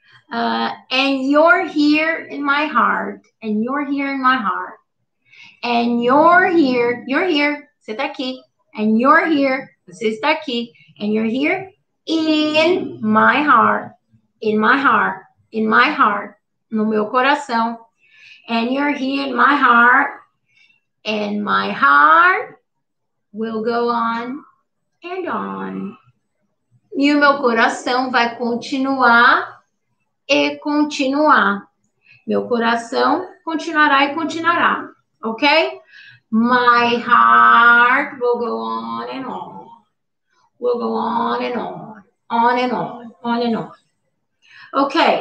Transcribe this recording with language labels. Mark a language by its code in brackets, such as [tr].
[en] And you're here in my heart. And you're here in my heart. And you're here, [pt] você tá aqui. [en] And you're here, [pt] você está aqui. [en] And you're here in my heart. In my heart, in my heart, [pt] no meu coração. [en] And you're here in my heart. And my heart will go on and on. [pt] E o meu coração vai continuar e continuar. Meu coração continuará e continuará, ok? [en] My heart will go on and on. Will go on and on. On and on. On and on. Ok.